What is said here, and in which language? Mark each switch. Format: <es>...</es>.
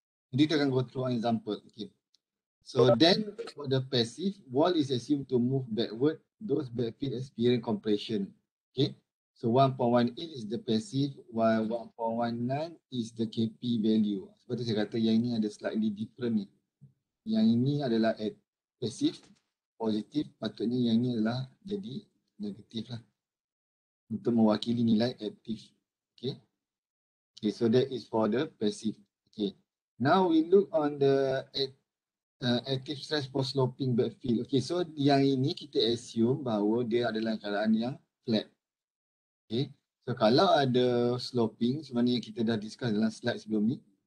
<ms>Jadi kita akan</ms> <en>go through an example. Okay. So then for the passive, wall is assumed to move backward, those backfeet experience compression. Okay. So 1.18 is the passive, while 1.19 is the KP value.</en> <ms>Sebab tu saya kata yang ini ada slightly different ni. Yang ini adalah passive, positive, patutnya yang ini adalah jadi negatif lah. Untuk mewakili nilai active.</ms> <en>Okay. Okay, so that is for the passive. Okay. Now we look on the active stress for sloping backfill.</en> <ms>Okay, so yang ini kita assume bahawa dia adalah keadaan yang flat. Okay, so kalau ada sloping, sebenarnya kita dah discuss dalam slide sebelum ni.</ms>